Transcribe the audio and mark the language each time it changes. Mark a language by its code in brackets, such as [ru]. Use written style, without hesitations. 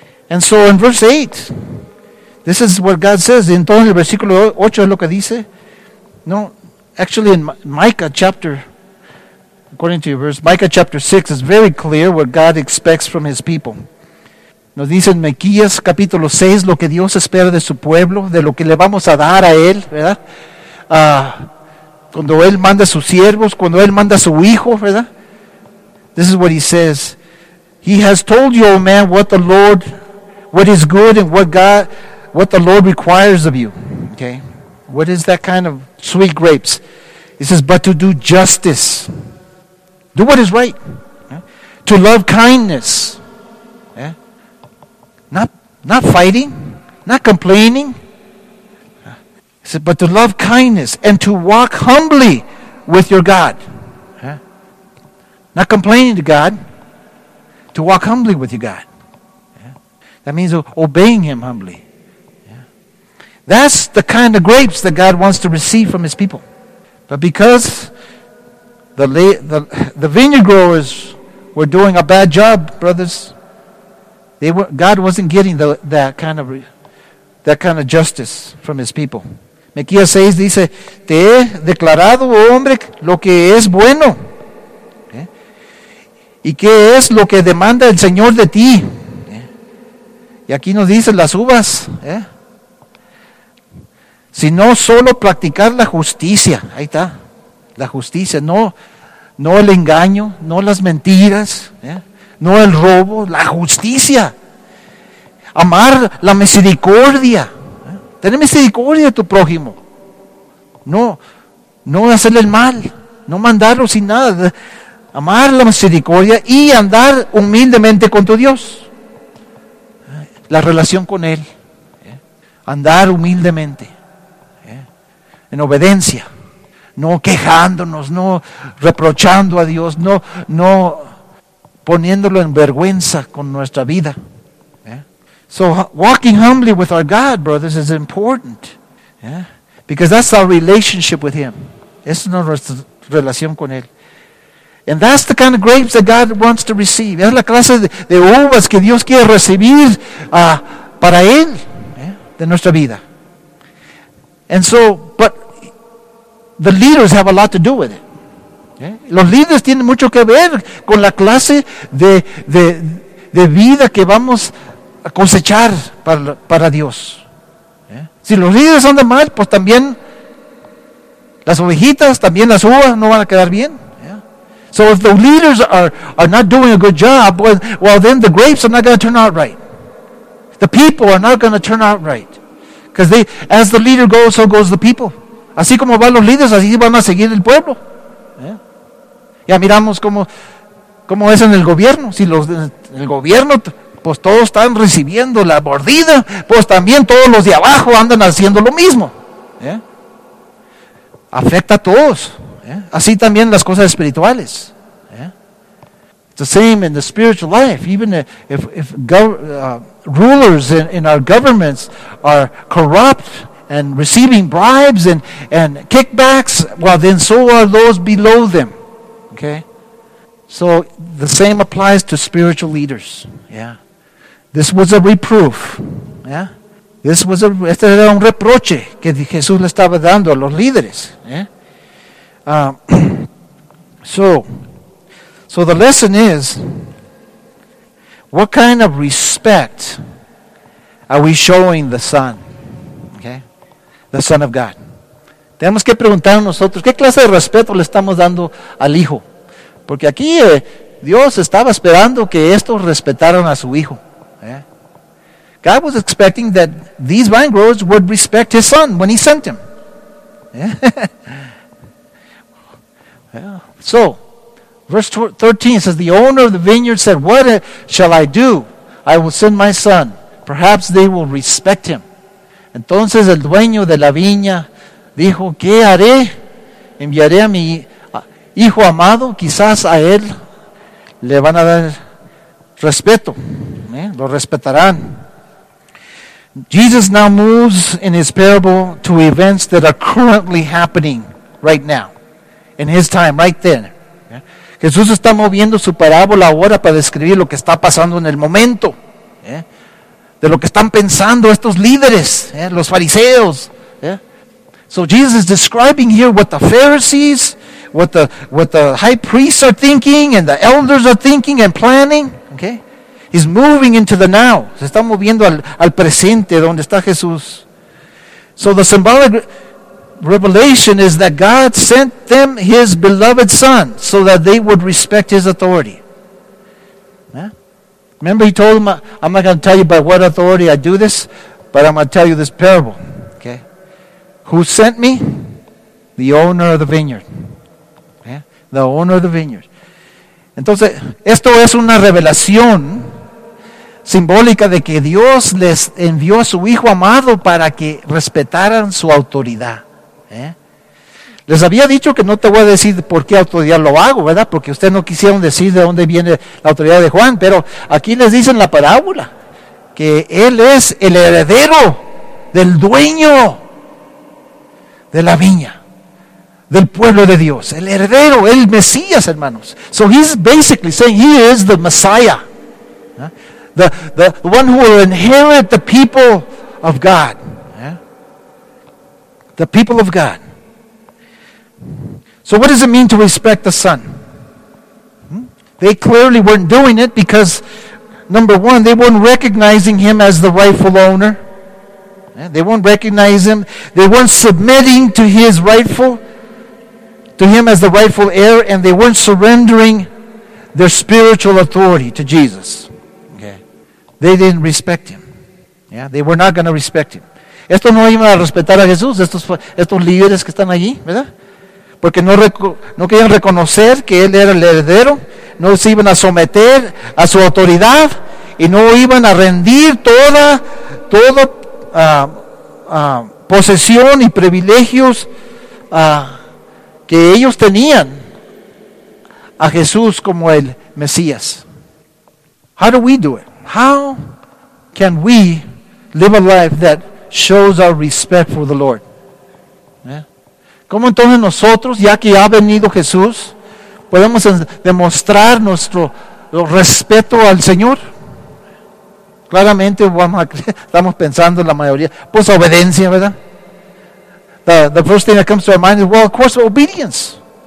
[en] And so in verse 8, this is what God says. [es] Entonces el versículo 8 es lo que dice. [en] No, actually in Micah chapter, according to your verse, Micah chapter 6 is very clear what God expects from his people. [es] Nos dice en Miqueas capítulo 6 lo que Dios espera de su pueblo, de lo que le vamos a dar a él, ¿verdad? Cuando él manda a sus siervos, cuando él manda a su hijo, ¿verdad? [en] This is what he says. He has told you, O man, what the Lord, what is good and what God, what the Lord requires of you. Okay? What is that kind of sweet grapes? He says, but to do justice. Do what is right. Yeah? To love kindness. Yeah? Not fighting. Not complaining. He says, but to love kindness and to walk humbly with your God. Yeah? Not complaining to God. To walk humbly with your God. That means obeying him humbly. Yeah. That's the kind of grapes that God wants to receive from his people. But because the vineyard growers were doing a bad job, brothers, God wasn't getting that kind of justice from his people. [es] Miqueas 6 dice, te he declarado, hombre, lo que es bueno. Okay. Y qué es lo que demanda el Señor de ti. Y aquí nos dice las uvas, sino solo practicar la justicia. Ahí está, la justicia. No el engaño, no las mentiras, no el robo, la justicia. Amar la misericordia. Tener misericordia de tu prójimo. No hacerle el mal, no mandarlo sin nada. Amar la misericordia y andar humildemente con tu Dios. La relación con él, andar humildemente, en obediencia, no quejándonos, no reprochando a Dios, no poniéndolo en vergüenza con nuestra vida. [en] So walking humbly with our God, brothers, is important, because that's our relationship with him. [es] Es nuestra relación con él. [en] And that's the kind of grapes that God wants to receive. [es] Es la clase de uvas que Dios quiere recibir para Él, de nuestra vida. [en] And so, but the leaders have a lot to do with it. [es] Los líderes tienen mucho que ver con la clase de vida que vamos a cosechar para Dios. Si los líderes andan mal, pues también las ovejitas, también las uvas no van a quedar bien. [en] So if the leaders are not doing a good job, well then the grapes are not going to turn out right. The people are not going to turn out right. Because they, as the leader goes, so goes the people. [es] Así como van los líderes, así van a seguir el pueblo. Ya miramos cómo es en el gobierno. Si los en el gobierno, pues todos están recibiendo la mordida, pues también todos los de abajo andan haciendo lo mismo. Afecta a todos. Así también las cosas espirituales. [en] It's the same in the spiritual life. Even if rulers in our governments are corrupt and receiving bribes and kickbacks, well, then so are those below them. Okay? So the same applies to spiritual leaders. Yeah. This was a reproof. Yeah. This was a [es] este era un reproche que Jesús le estaba dando a los líderes. Yeah. [en] So the lesson is, what kind of respect are we showing the Son? Okay? The Son of God. [es] Tenemos que preguntar a nosotros, ¿qué clase de respeto le estamos dando al Hijo? Porque aquí Dios estaba esperando que estos respetaran a su Hijo. [en] Yeah? God was expecting that these vine growers would respect his Son when he sent him. Yeah? Yeah. So, verse 13 says, the owner of the vineyard said, what shall I do? I will send my son. Perhaps they will respect him. [es] Entonces el dueño de la viña dijo, ¿qué haré? enviaré a mi hijo amado, quizás a él le van a dar respeto, lo respetarán. [en] Jesus now moves in his parable to events that are currently happening right now, in his time, right then. [es] Jesús está moviendo su parábola ahora para describir lo que está pasando en el momento, de lo que están pensando estos líderes, los fariseos. [en] So Jesus is describing here what the Pharisees, what the high priests are thinking, and the elders are thinking and planning. Okay, he's moving into the now. [es] Se está moviendo al presente donde está Jesús. [en] So the symbolic revelation is that God sent them his beloved son so that they would respect his authority. Remember he told them, I'm not going to tell you by what authority I do this, but I'm going to tell you this parable. Okay, who sent me? The owner of the vineyard. The owner of the vineyard. [es] Entonces, esto es una revelación simbólica de que Dios les envió a su hijo amado para que respetaran su autoridad. Les había dicho que no te voy a decir por qué autoridad lo hago, ¿verdad? Porque ustedes no quisieron decir de dónde viene la autoridad de Juan, pero aquí les dicen la parábola, que él es el heredero del dueño de la viña, del pueblo de Dios, el heredero, el Mesías, hermanos. [en] So he's basically saying he is the Messiah, the one who will inherit the people of God. The people of God. So what does it mean to respect the Son? They clearly weren't doing it because, number one, they weren't recognizing him as the rightful owner. They weren't recognize him. They weren't submitting to his rightful, to him as the rightful heir, and they weren't surrendering their spiritual authority to Jesus. Okay. They didn't respect him. They were not going to respect him. [es] Estos no iban a respetar a Jesús, estos líderes que están allí, ¿verdad? Porque no querían reconocer que él era el heredero, no se iban a someter a su autoridad y no iban a rendir toda posesión y privilegios que ellos tenían a Jesús como el Mesías. [en] How do we do it? How can we live a life that shows our respect for the Lord? [es] ¿Cómo entonces nosotros, ya que ha venido Jesús, podemos demostrar nuestro respeto al Señor? Claramente estamos pensando la mayoría, pues obediencia, ¿verdad? [en] The first thing that comes to our mind is, well, of course, obedience.